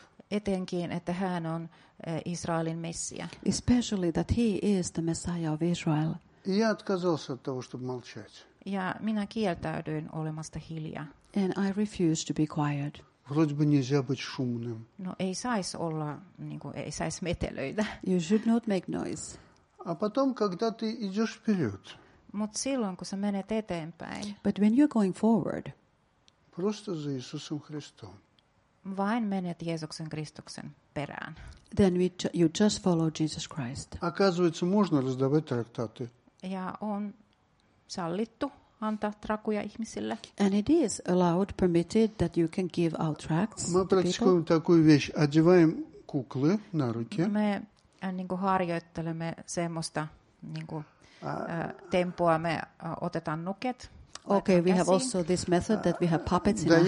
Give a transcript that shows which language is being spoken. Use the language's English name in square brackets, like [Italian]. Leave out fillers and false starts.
[Finnish] Etenkin, että hän on Israelin Messia. [English] Especially that he is the Messiah of Israel. [Russian] Я отказался от того, чтобы молчать. [Finnish] Ja minä kieltäydyin olemasta hiljaa. [English] And I refused to be quiet. [Russian] Вроде бы нельзя быть шумным. [Finnish] No, ei sais olla, niin kuin, ei sais metelöidä. [English] You should not make noise. [Russian] А потом, когда ты идешь вперед. [Finnish] Mut silloin, kun sä menet eteenpäin. [English] But when you're going forward. [Russian] Просто за Иисусом Христом. [Finnish] Vain menet Jeesuksen Kristuksen perään. [English] Then you just follow Jesus Christ. [Russian] Оказывается, можно раздавать трактаты. [Finnish] Ja on sallittu. Antaa trakuja ihmisille. [English] And it is allowed, permitted that you can give out tracts. [Russian] Мы практикуем такую вещь. Одеваем куклы на руки. [Finnish] Me niinku harjoittelemme semmoista niinku tempoa. Me otetaan nuket. [English] Okay, we have also this method that we have puppets in our hands.